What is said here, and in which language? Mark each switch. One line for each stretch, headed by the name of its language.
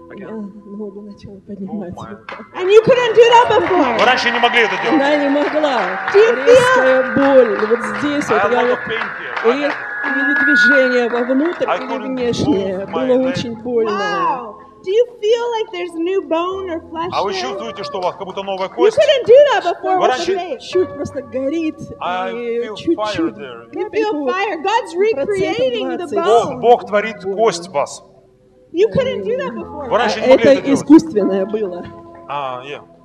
English: And you couldn't do that before.
Russian: Вы раньше не могли это делать. Да, не могла. Резкая боль. Вот здесь вот я вот. И движение вовнутрь или внешнее было очень больно.
English: Do you feel like there's new bone or flesh?
Russian: А вы чувствуете, что у вас как будто новая кость?
English: You couldn't do that before.
Russian: Чуть просто горит.
English: I feel fire. God's recreating the bone.
Russian: Бог творит кость в вас.
English: You couldn't do that before.
Russian: Вы раньше не могли это делать. Это искусственное было. А, yeah.